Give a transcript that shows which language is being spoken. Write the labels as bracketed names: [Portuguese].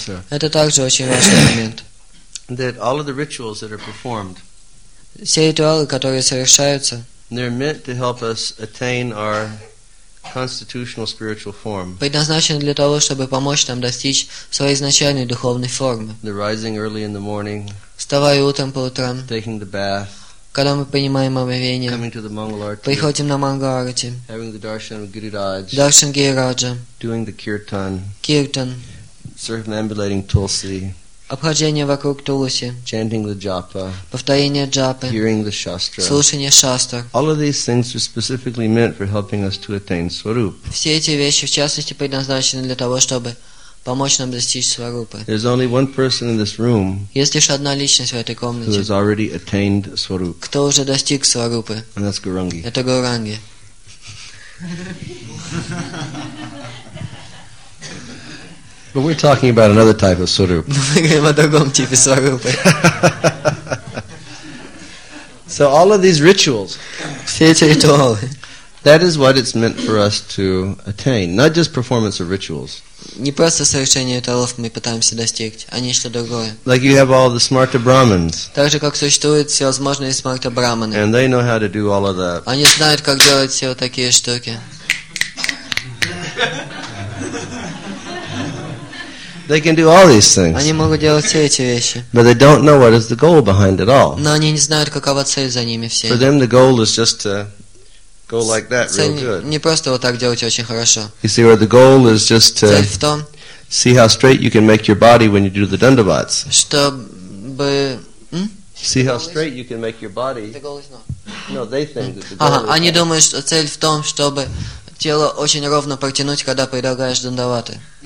[Russian] Это также очень важный момент. [English] That all of the rituals that are performed, [Russian] все ритуалы, которые совершаются, [English] they're meant to help us attain our constitutional spiritual form. [Russian] Предназначены для того, чтобы помочь нам достичь своей изначальной духовной формы. [English] The rising early in the morning, [Russian] вставая утром по утрам, [English] taking the bath, [Russian] когда мы принимаем омовение, [English] coming to the Mangal Arati, [Russian] приходим на Мангал Арати, [English] having the darshan of Гирирадж, [Russian] даршан Гирираджа, [English] doing the kirtan, [Russian] киртан, [English] circumambulating Tulsi. [Russian] Обхождение вокруг Туласи, [English] chanting the japa, [Russian] повторение джапы, [English] hearing the shastra, [Russian] слушание шастр. [English] All of these things are specifically meant for helping us to attain swarup. [Russian] Все эти вещи, в частности, предназначены для того, чтобы помочь нам достичь сварупы. [English] There's only one person in this room, [Russian] есть лишь одна личность в этой комнате, [English] who has already attained swarup. [Russian] Кто уже достиг сварупы? [English] And that's Гуранги. [Russian] Это Гуранги. [English] But we're talking about another type of swarup. [Russian] Мы говорим о другом типе сварупы. [English] So all of these rituals, [Russian] все эти ритуалы, [English] that is what it's meant for us to attain, not just performance of rituals. [Russian] Не просто совершение ритуалов мы пытаемся достигнуть, а нечто другое. [English] Like you have all the smarta brahmins. [Russian] Так же как существуют всевозможные смарта брахманы. [English] And they know how to do all of that. [Russian] Они знают, как делать все такие штуки. [English] They can do all these things. [Russian] Они могут делать все эти вещи. [English] But they don't know what is the goal behind it all. [Russian] Но они не знают, какова цель за ними всеми. [English] For them, the goal is just to go like that, [Russian] цель [English] real good. [Russian] Не просто вот так делать очень хорошо. [English] You see, where the goal is just to [Russian] цель в том, [English] see how straight you can make your body when you do the dandavats. [Russian] Чтобы [English] see how straight you can make your body. The goal is not. No, they think that the goal. [Russian] Ага, они думают, что цель в том, чтобы тело очень ровно протянуть, когда предлагаешь дандаваты.